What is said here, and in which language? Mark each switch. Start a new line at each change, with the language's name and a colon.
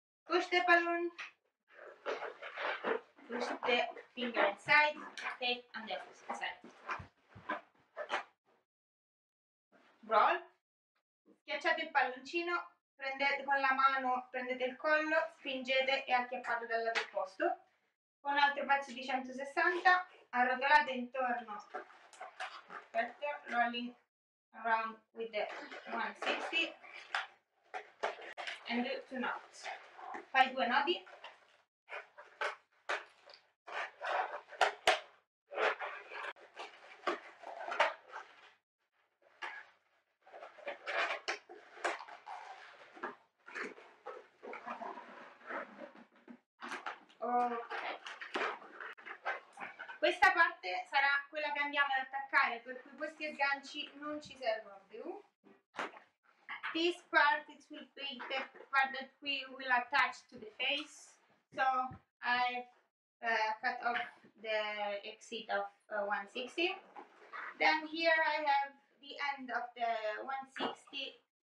English: Push the balloon, push the finger inside, tape on the opposite side.
Italian: Roll, schiacciate il palloncino, prendete con la mano, prendete il collo, spingete e acchiappate dal lato opposto. Con un altro pezzo di 160, arrotolate intorno. Aspetta,
English: rolling around with the 160 and do two knots.
Italian: Fai due nodi. Okay. Questa parte sarà quella che andiamo ad attaccare, per cui questi agganci non ci servono più.
English: This part, it will be the part that we will attach to the face. So I cut off the exit of 160. Then here I have the end of the 160.